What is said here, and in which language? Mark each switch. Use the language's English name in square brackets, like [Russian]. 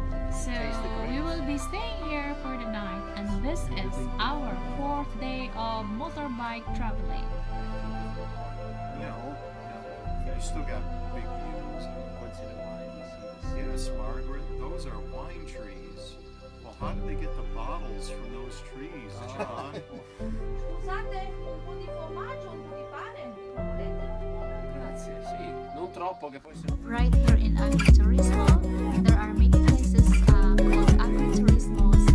[English] So we will be staying here for the night, and this is our fourth day of motorbike. motorbike traveling? No. You still got big views and once in a while you see the Yes, Margaret, those are wine trees. Well, how do they get the bottles from those trees, John? [Italian] Scusate, un po' di formaggio, un po' di pane. Grazie, sì. Non troppo che poi [English] right here in Agriturismo, there are many places called Agriturismo.